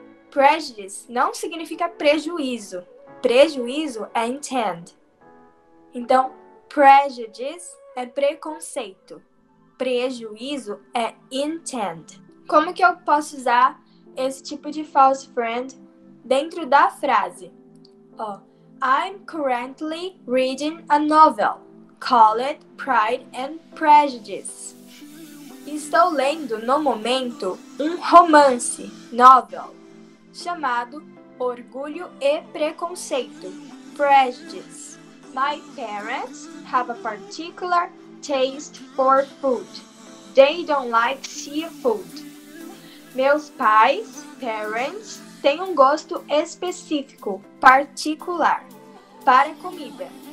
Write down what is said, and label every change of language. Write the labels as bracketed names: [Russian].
[Portuguese] Prejudice não significa prejuízo. Prejuízo é intent. Então, prejudice é preconceito. Prejuízo é intent. Como que eu posso usar esse tipo de false friend dentro da frase? [English] I'm currently reading a novel called Pride and Prejudice. [Portuguese] Estou lendo, no momento, um romance, novel, chamado Orgulho e Preconceito, Prejudice. [English] My parents have a particular taste for food. They don't like seafood. [Portuguese] Meus pais, parents, têm um gosto específico, particular, para comida.